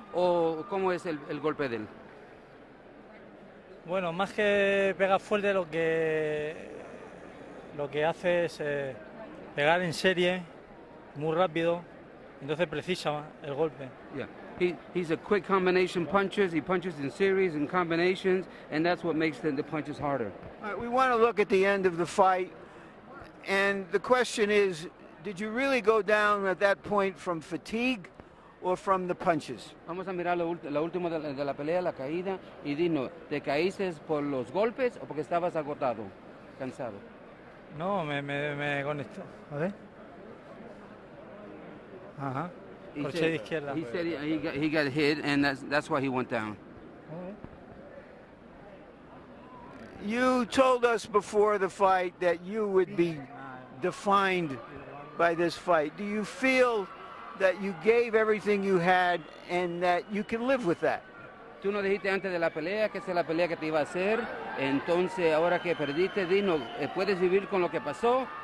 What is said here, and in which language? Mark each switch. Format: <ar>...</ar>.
<es>¿O cómo es el golpe de él? Bueno, más que pegar fuerte, lo que hace es pegar en serie, muy rápido, entonces precisa el golpe.</es> <en>Yeah. He's a quick combination puncher. He punches in series and combinations, and that's what makes the punches harder. All right, we want to look at the end of the fight, and the question is, did you really go down at that point from fatigue or from the punches?</en> <es>Vamos a mirar la última de la pelea, la caída, y dino, ¿te caíste por los golpes o porque estabas agotado, cansado? No, me conecto. A ver. Ajá.</es> <en>He said he got hit, and that's why he went down. You told us before the fight that you would be defined by this fight. Do you feel that you gave everything you had and that you can live with that?</en> <es>Tú no dijiste antes de la pelea que esa es la pelea que te iba a hacer. Entonces, ahora que perdiste, dino, ¿puedes vivir con lo que pasó?</es>